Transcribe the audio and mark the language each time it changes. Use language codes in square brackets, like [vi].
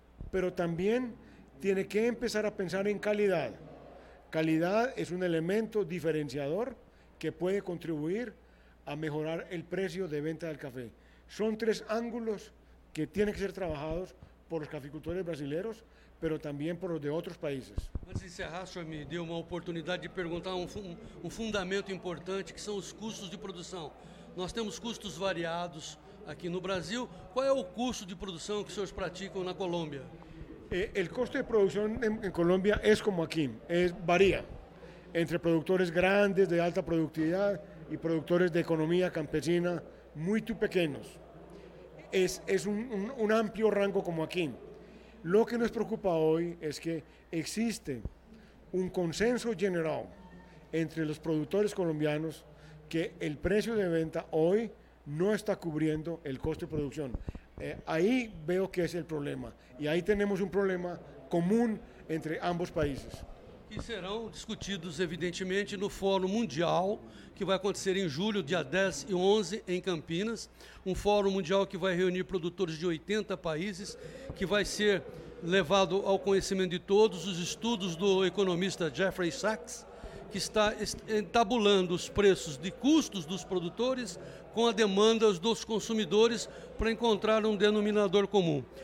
[es] Pero también tiene que empezar a pensar en calidad. Calidad es un elemento diferenciador que puede contribuir a mejorar el precio de venta del café. Son tres ángulos que tienen que ser trabajados por los caficultores brasileños, pero también por los de otros países. [pt] Antes de encerrar, o senhor me deu uma oportunidade de perguntar um fundamento importante, que são os custos de produção. Nós temos custos variados aqui no Brasil. Qual é o custo de produção que os senhores praticam na Colômbia? [es] El costo de producción en Colombia es como aquí, varía entre productores grandes de alta productividad y productores de economía campesina muy pequeños. es un amplio rango como aquí. Lo que nos preocupa hoy es que existe un consenso general entre los productores colombianos que el precio de venta hoy no está cubriendo el costo de producción. Ahí veo que es el problema, y ahí tenemos un problema común entre ambos países. [pt] Que serão discutidos, evidentemente, no Fórum Mundial, que vai acontecer em julho, dia 10 e 11, em Campinas. Um Fórum Mundial que vai reunir produtores de 80 países, que vai ser levado ao conhecimento de todos os estudos do economista Jeffrey Sachs, que está entabulando os preços de custos dos produtores com a demanda dos consumidores para encontrar um denominador comum.